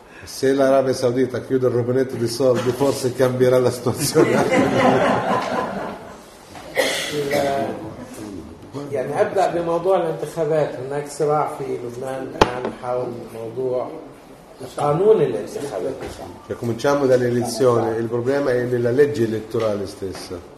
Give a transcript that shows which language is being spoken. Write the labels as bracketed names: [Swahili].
[Italian] Se l'Arabia Saudita chiude il rubinetto di soldi forse cambierà la situazione. [Arabic] يعني أبدأ بموضوع الانتخابات. هناك صراع في لبنان الآن حول موضوع قانون الانتخابات. [Italian] Cioè cominciamo dalle elezioni, il problema è nella legge elettorale stessa.